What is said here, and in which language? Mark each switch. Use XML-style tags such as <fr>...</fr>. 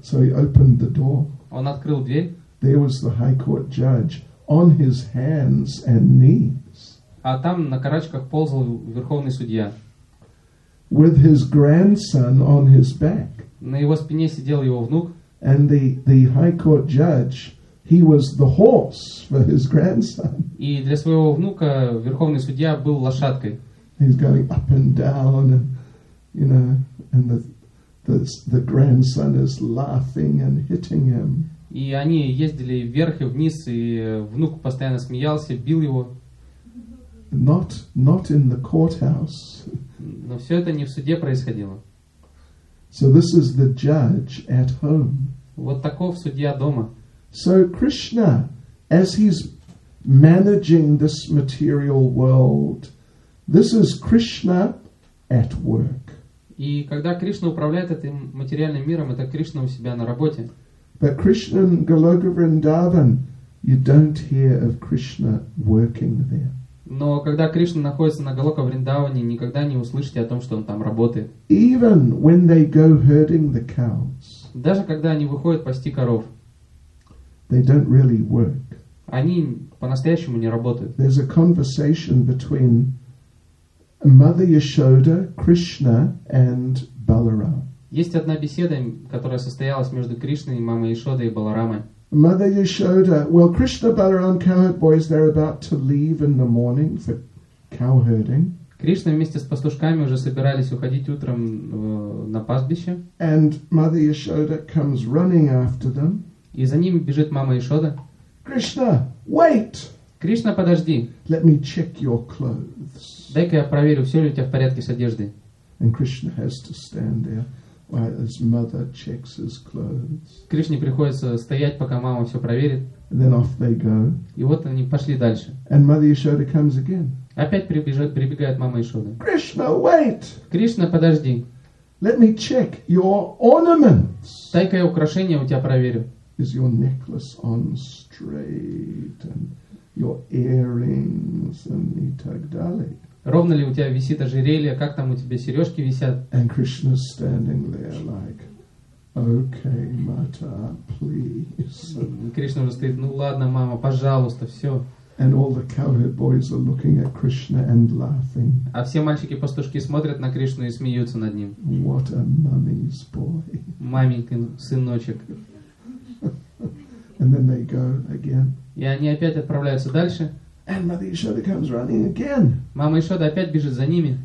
<en>So he opened the door.</en> <ru>Он открыл дверь.</ru> <en>There was the high court judge on his hands and knees.</en> <ru>А там на карачках ползал верховный судья.</ru> <en>With his grandson on his back.</en> <ru>На его спине сидел его внук.</ru> <en>And the high court judge, he was the horse for his grandson.</en> <ru>И для своего внука верховный судья был лошадкой.</ru> <en>He's going up and down, and, you know, and the grandson is laughing and hitting him.</en> <ru>И они ездили вверх и вниз, и внук постоянно смеялся, бил его.</ru> <en>Not in the courthouse.</en> <ru>Но все это не в суде происходило.</ru> <en>So this is the judge at home.</en> <ru>Вот таков судья дома.</ru> <en>So Krishna, as he's managing this material world, this is Krishna at work.</en> <ru>И когда Кришна управляет этим материальным миром, это Кришна у себя на работе.</ru> <en>But Krishna and Goloka Vrindavan, you don't hear of Krishna working there.</en> <ru>Но когда Кришна находится на Голока Вриндаване, никогда не услышите о том, что он там работает.</ru> <en>Even when they go herding the cows.</en> <ru>Даже когда они выходят пасти коров.</ru> <en>They don't really work.</en> <ru>Они по-настоящему не работают.</ru> <en>There's a conversation between Mother Yashoda, Krishna and Balaram.</en> <ru>Есть одна беседа, которая состоялась между Кришной, мамой Яшодой и Баларамой.</ru> <en>Mother Yashoda, well, Krishna, Balaram, cowherd boys, they're about to leave in the morning for cowherding.</en> <ru>Кришна вместе с пастушками уже собирались уходить утром на пастбище.</ru> <en>And Mother Yashoda comes running after them.</en> <ru>И за ними бежит мама Яшода.</ru> <en>Krishna, wait!</en> <ru>Кришна, подожди.</ru> <en>Let me check your clothes.</en> <ru>Дай-ка я проверю, все ли у тебя в порядке с одеждой.</ru> <en>And Krishna has to stand there. While his mother checks his clothes.</en> <ru>Кришне приходится стоять, пока мама все проверит.</ru> <en>And then off they go.</en> <ru>И вот они пошли дальше.</ru> <en>And Mother Yashoda comes again.</en> <ru>Опять прибегает мама Яшода.</ru> <en>Krishna, wait.</en> <ru>Кришна, подожди.</ru> <en>Let me check your ornaments.</en> <ru>Дай-ка я украшения у тебя проверю.</ru> <en>Is your necklace on straight and your earrings and</en> <ru>и так далее. Ровно ли у тебя висит ожерелье, как там у тебя сережки висят?</ru> <en>And Krishna's standing there like, Okay, Mata, please.</en> <ru>И Кришна уже стоит, ну ладно, мама, пожалуйста, все.</ru> <en>And all the cowherd boys are looking at Krishna and laughing.</en> <ru>А все мальчики-пастушки смотрят на Кришну и смеются над ним.</ru> <en>What a mummy's boy.</en> <ru>Маменькин сыночек.</ru> <en>And then they go again.</en> <ru>И они опять отправляются дальше.</ru> <en>And Mother Yashoda comes running again.</en> <ru>Мама Ишода опять бежит за ними.</ru>